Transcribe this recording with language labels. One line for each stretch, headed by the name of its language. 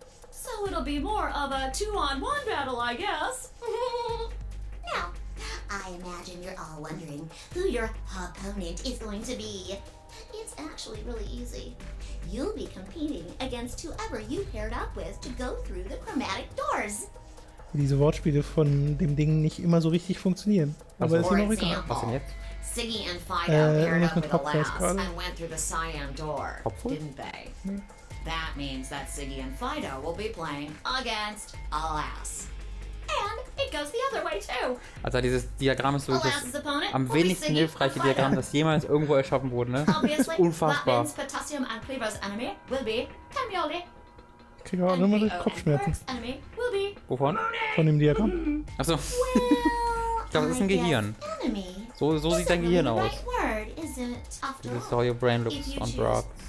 English: So it'll be more of a two-on-one battle, I guess. Now, I imagine you're all wondering who your opponent is going to be. It's actually really easy. You'll be competing against whoever you paired up with to go through the chromatic doors.
German: Diese Wortspiele von dem Ding nicht immer so richtig funktionieren. Aber es ist noch egal. Was denn jetzt?
English: Siggy and Fido paired up with Alas and went through the cyan door, didn't they? That means that Siggy and Fido will be playing against Alas. And it goes the other way too.
German: Also dieses Diagramm ist wirklich das am wenigsten hilfreiche Diagramm, das jemals irgendwo erschaffen wurde, ne? Unfassbar.
English: That means Potassium and Cleaver's enemy will be Tamioli.
German: Krieg auch nur mal durch Kopfschmerzen. Wovon? Von dem Diagramm. Achso. Ich glaube, das ist ein Gehirn. So sieht dein Gehirn aus.
English: This is how your brain looks on drugs.